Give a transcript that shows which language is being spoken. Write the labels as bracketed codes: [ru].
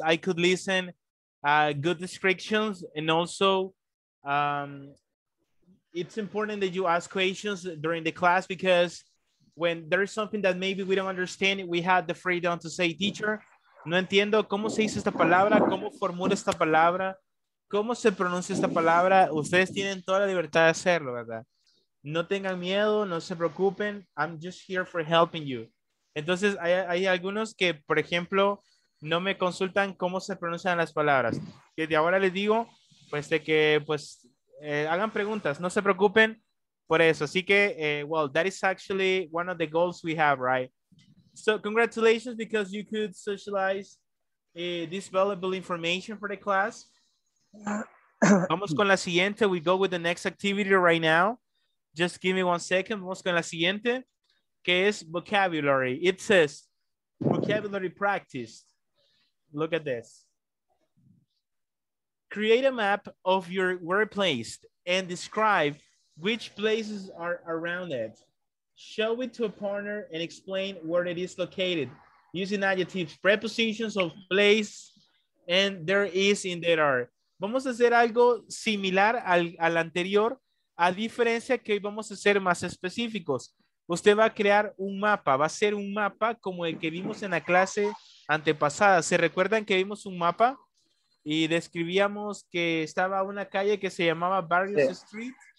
[en] I could listen good descriptions, and also it's important that you ask questions during the class, because when there's something that maybe we don't understand, we have the freedom to say, teacher, [es] no entiendo cómo se dice esta palabra, [en] cómo formula esta palabra, cómo se pronuncia esta palabra. [es] Ustedes tienen toda la libertad de hacerlo, ¿verdad? No tengan miedo, no se preocupen. [en] I'm just here for helping you. [es] Entonces, hay algunos que, por ejemplo, no me consultan cómo se pronuncian las palabras. Desde ahora les digo, pues, de que, pues, hagan preguntas, no se preocupen por eso. Así que, [en] well, that is actually one of the goals we have, right? So, congratulations, because you could socialize this valuable information for the class. [es] Vamos con la siguiente. [en] We go with the next activity right now. Just give me one second. [es] Vamos con la siguiente, que es vocabulary. [en] It says vocabulary practice. Look at this. Create a map of your workplace and describe which places are around it. Show it to a partner and explain where it is located using adjectives, prepositions of place, and there is in there are. [es] Vamos a hacer algo similar al anterior, a diferencia que hoy vamos a ser más específicos. Usted va a crear un mapa, va a ser un mapa como el que vimos en la clase antepasada. ¿Se recuerdan que vimos un mapa y describíamos que estaba una calle que se llamaba Barrios sí.